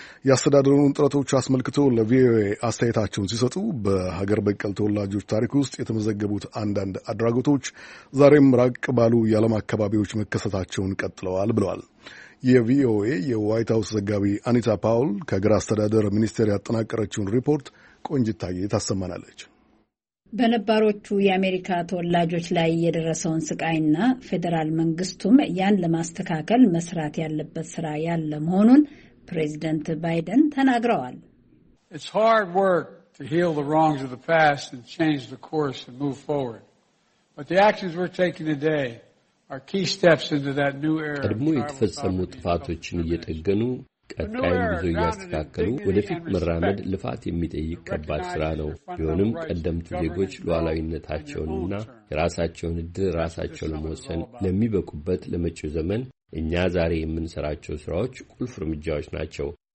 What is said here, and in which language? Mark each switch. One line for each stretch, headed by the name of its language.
Amharic: ያስተዳደሩን ጥረቶች አስመልክቶ ለቪኦኤ አስተያየታቸውን ሲሰጡ በሀገር በቀል ተወላጆች ታሪክ ውስጥ የተመዘገቡት አንዳንድ አድራጎቶች ዛሬም ራቅ ባሉ የዓለም አካባቢዎች መከሰታቸውን ቀጥለዋል ብለዋል። የቪኦኤ የዋይት ሀውስ ዘጋቢ አኒታ ፓውል ከሀገር አስተዳደር ሚኒስቴር ያጠናቀረችውን ሪፖርት ቆንጅታዬ ታሰማናለች። በነባሮቹ የአሜሪካ ተወላጆች ላይ የደረሰውን ስቃይና ፌዴራል መንግስቱም ያን ለማስተካከል መስራት ያለበት ስራ ያለ መሆኑን ፕሬዚደንት ባይደን ተናግረዋል።
English: It's hard work to heal the wrongs of the past and change the course and move forward. But the actions we're taking today are key steps into that new era.
Amharic: ቀድሞ የተፈጸሙ ጥፋቶችን እየጠገኑ ቀጣይን ጉዞ እያስተካከሉ ወደፊት መራመድ ልፋት የሚጠይቅ ከባድ ስራ ነው። ቢሆንም ቀደምት ዜጎች ሉዓላዊነታቸውንና የራሳቸውን እድል ራሳቸው ለመወሰን ለሚበቁበት ለመጪው ዘመን እኛ ዛሬ የምንሰራቸው ስራዎች ቁልፍ እርምጃዎች ናቸው።